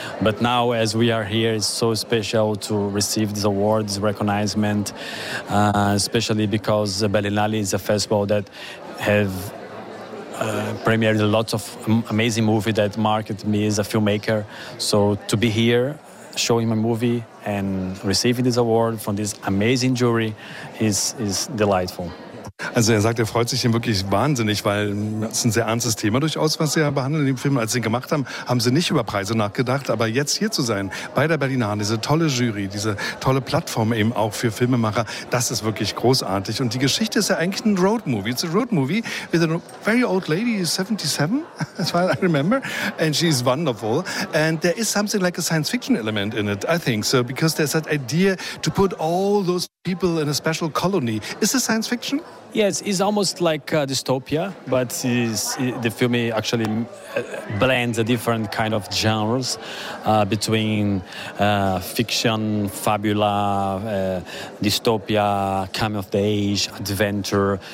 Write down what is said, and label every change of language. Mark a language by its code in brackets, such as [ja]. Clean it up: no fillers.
[en] But now, as we are here, it's so special to receive this award, this recognition, especially because Berlinale is a festival that have premiered lots of amazing movies that marked me as a filmmaker. So to be here showing my movie and receiving this award from this amazing jury is delightful. [de] Also er sagt, er freut sich ihm wirklich wahnsinnig, weil es ein sehr ernstes Thema durchaus, was sie ja behandeln in dem Film. Als sie ihn gemacht haben, haben sie nicht über Preise nachgedacht, aber jetzt hier zu sein, bei der Berlinale, diese tolle Jury, diese tolle Plattform eben auch für Filmemacher, das ist wirklich großartig. Und die Geschichte ist ja eigentlich ein Roadmovie. [en] It's a Roadmovie with a very old lady, 77, as far as I remember, and she's wonderful. And there is something like a science fiction element in it, I think so, because there's that idea to put all those people in a special colony. Is this science fiction? Yeah, Yes, it's almost like a dystopia, but the film actually blends a different kind of genres between fiction, fabula, dystopia, coming of the age, adventure.